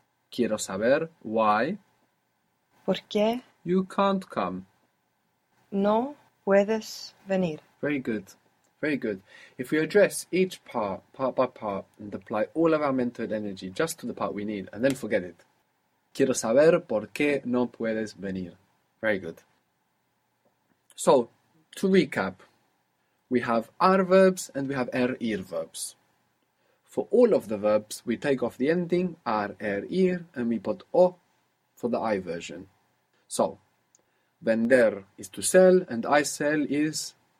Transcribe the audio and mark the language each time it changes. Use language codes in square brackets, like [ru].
[es] Quiero saber [en] why [es] ¿Por qué [en] you can't come. [es] no puedes venir? [en] Very good. Very good. If we address each part by part, and apply all of our mental energy just to the part we need, and then forget it. [es] Quiero saber por qué no puedes venir. [en] Very good. So, to recap, we have are verbs and we have ir verbs. For all of the verbs, we take off the ending are, ir, and we put o for the I version. So, vender is to sell, and I sell is